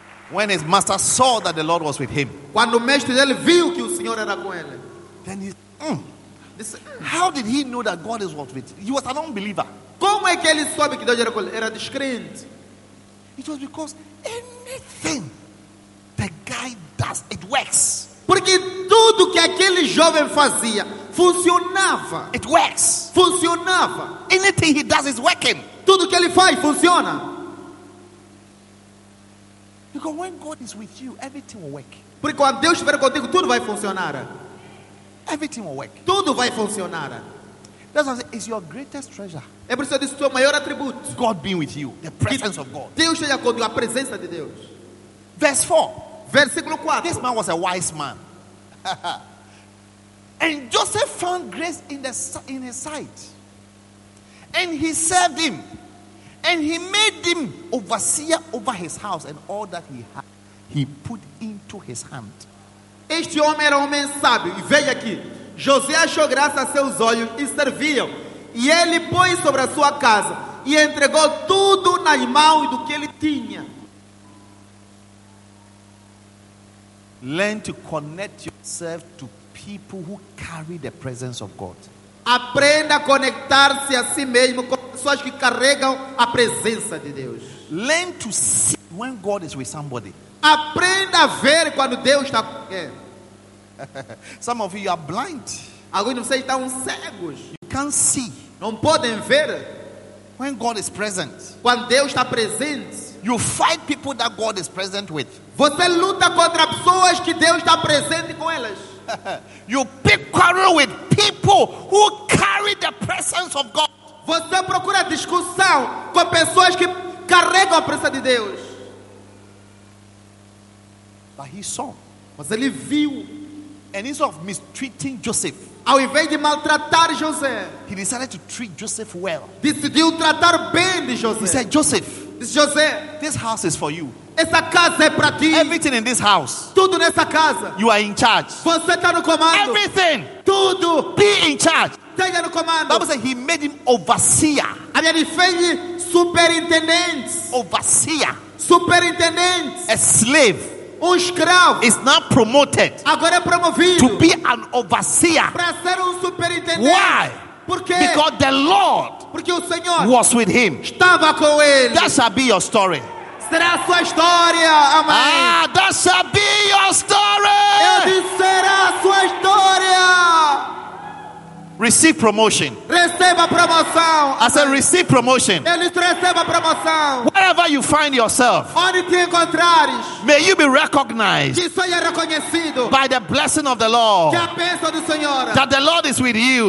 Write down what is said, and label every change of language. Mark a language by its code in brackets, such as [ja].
[en] When his master saw that the Lord was with him, [pt] quando o mestre dele viu que o Senhor era com ele, [en] then he, how did he know that God is with him? He was an unbeliever. [pt] Como é que ele soube que Deus era com ele? Era descrente. [en] It was because anything the guy does, it works. [pt] Porque tudo que aquele jovem fazia funcionava. [en] It works. [pt] Funcionava. [en] Anything he does is working. [pt] Tudo que ele faz funciona. [en] Because when God is with you, everything will work. [pt] Porque quando Deus estiver contigo, tudo vai funcionar. [en] Everything will work. [pt] Tudo vai funcionar. [en] That's what I say, it's your greatest treasure. [pt] É por isso que eu disse, o teu maior atributo. [en] God being with you, the presence of God. [pt] Deus esteja contigo, a presença de Deus. [en] Verse 4. [pt] Versículo 4. [en] This man was a wise man. And Joseph found grace in his sight. And he served him. And he made him overseer over his house and all that he had, he put into his hand. [pt] Este homem era homem sábio. E veja aqui. José achou graça a seus olhos e serviu. E ele pôs sobre a sua casa e entregou tudo nas mãos do que ele tinha. [en] Learn to connect yourself to people who carry the presence of God. [pt] Aprenda a conectar-se a si mesmo com pessoas que carregam a presença de Deus. [en] Learn to see when God is with somebody. [pt] Aprenda a ver quando Deus está com alguém. [en] Some of you are blind. [pt] Alguns de vocês estão cegos. [en] You can't see. [pt] Não podem ver. [en] When God is present. [pt] Quando Deus está presente. [en] You fight people that God is present with. [pt] Você luta contra pessoas que Deus está presente com elas. [en] You pick quarrel with people who carry the presence of God. [pt] Você procura discussão com pessoas que carregam a presença de Deus. [en] But he saw. [pt] Mas ele viu. [en] And instead of mistreating Joseph, [pt] ao invés de maltratar José, [en] he decided to treat Joseph well. [pt] Decidiu tratar bem de José. [en] He said, Joseph, [pt] disse, José, [en] this house is for you. [pt] Essa casa é para ti. [en] Everything in this house. [pt] Tudo nessa casa. [en] You are in charge. [pt] Você está no comando. [en] Everything. [pt] Tudo. [en] Be in charge. [pt] Esteja no comando. [en] Bible says he made him overseer. [pt] Ele fez superintendent. [en] Overseer. Superintendent. A slave. [pt] Um escravo. [en] Is now promoted. [pt] Agora é promovido. [en] To be an overseer. [pt] Para ser superintendent. [en] Why? [pt] Porque? [en] Because the Lord. [pt] Porque o Senhor. [en] Was with him. [pt] Estava com ele. [en] That shall be your story. [pt] Será a sua história, amém. [en] Ah, that shall be your story. [pt] Eu disse, será a sua história. [en] Receive promotion. [pt] Receba promoção. [en] I said, receive promotion. [pt] Ele receba promoção. [en] Wherever you find yourself, [pt] onde te encontrares, [en] may you be recognized. [pt] Que seja reconhecido. [en] By the blessing of the Lord. [pt] Que a bênção do Senhor. [en] That the Lord is with you.